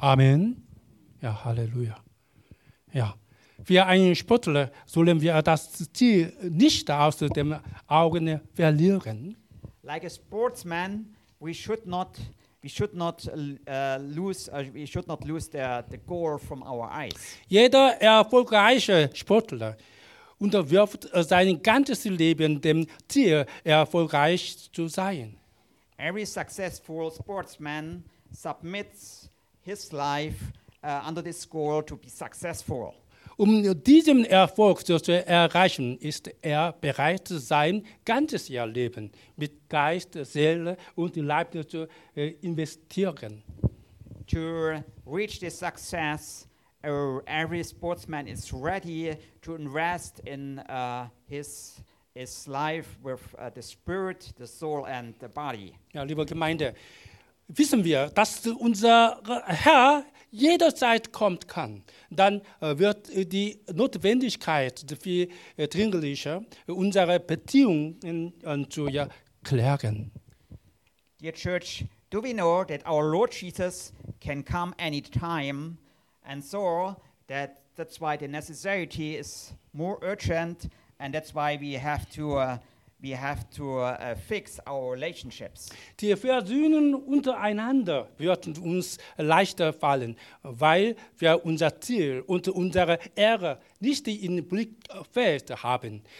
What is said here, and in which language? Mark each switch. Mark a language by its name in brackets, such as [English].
[German] Amen. Ja, Halleluja. Ja, wie ein Spottler sollen wir das Ziel nicht aus dem Augen verlieren. [English] Like a sportsman, we should not lose the goal from our eyes. [German] Jeder erfolgreiche Sportler unterwirft sein ganzes Leben dem Ziel, erfolgreich zu sein. [English] Every successful sportsman submits his life under this goal to be successful. [German] Um diesen Erfolg zu erreichen, ist bereit, sein ganzes Leben mit Geist, Seele und Leib zu investieren. [English] To reach this success, every sportsman is ready to invest in his life with the spirit, the soul and the body. [German] Ja, liebe Gemeinde, wissen wir, dass unser Herr jederzeit kommt kann, dann wird die Notwendigkeit viel dringlicher, unsere Beziehungen zu klären. [English] Dear Church, do we know that our Lord Jesus can come any time? And so that's why the necessity is more urgent, and that's why we have to fix our relationships. [German] Die Versöhnung untereinander wird uns leichter fallen, weil wir unser Ziel und unsere Ehre nicht im Blickfeld haben.